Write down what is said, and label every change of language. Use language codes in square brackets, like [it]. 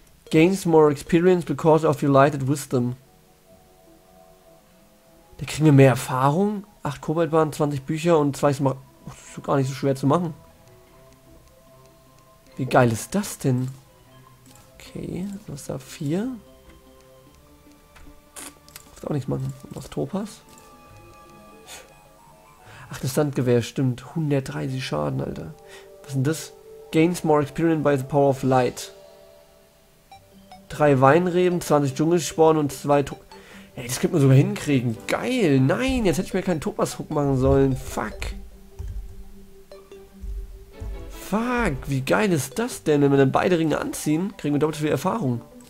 [en] Gains more experience because of your lighted wisdom. [de] Da kriegen wir mehr Erfahrung. 8 Kobaltbahnen, 20 Bücher und 2 Smart. Das ist gar nicht so schwer zu machen. Wie geil ist das denn? Okay, was da 4? Kannst auch nichts machen. Was Topaz? Ach, das Sandgewehr, stimmt. 130 Schaden, Alter. Was sind das? [en] Gains more experience by the power of light. [de] 3 Weinreben, 20 Dschungelsporn und 2 Topaz. Ey, das könnte man sogar hinkriegen. Geil, nein, jetzt hätte ich mir keinen Topaz-Hook machen sollen. Fuck. Fuck, wie geil ist das denn? Wenn wir dann beide Ringe anziehen, kriegen wir doppelt so viel Erfahrung.